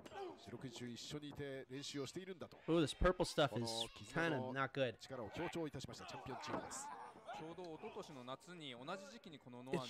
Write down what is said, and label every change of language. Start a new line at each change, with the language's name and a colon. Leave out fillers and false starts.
Japanese: このチャンピオンチームは非常にこの防衛戦を通じて本当に絆が深まっていいチームになってきてますよね。そうですよね。連携がやっぱり息ぴったりにどんどんなってきてますよね。まあ血はつながっていないが俺たちも46日一緒に練習をしているんだと。Oh,
English: this purple stuff is kind of not good.
Japanese: 力を強調いたしましたチャンピオンチームです。ちょうど一昨年の夏に同じ時期にこのノアに